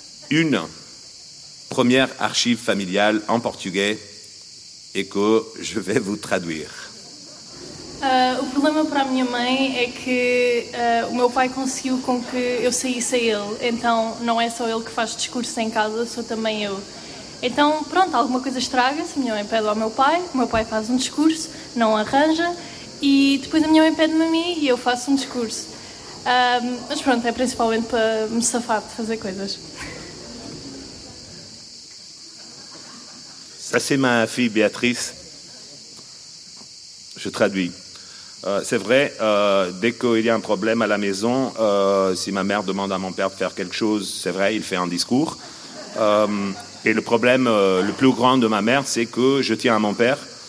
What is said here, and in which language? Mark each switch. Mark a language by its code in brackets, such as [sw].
[fr] Une première archive familiale en portugais et que je vais vous traduire. [pt] O problema para a minha mãe é que o meu pai conseguiu com que eu saísse a ele. Então, não é só ele que faz discurso em casa, sou também eu. Então, pronto, alguma coisa estraga-se, a minha mãe pede ao meu pai faz um discurso, não arranja, e depois a minha mãe pede-me a mim e eu faço um discurso. Mas pronto, é principalmente para me safar de fazer coisas. [fr] Ça, c'est ma fille Béatrice. Je traduis. C'est vrai, dès qu'il y a un problème à la maison, si ma mère demande à mon père de faire quelque chose, c'est vrai, il fait un discours. Et le problème le plus grand de ma mère, c'est que je tiens à mon père.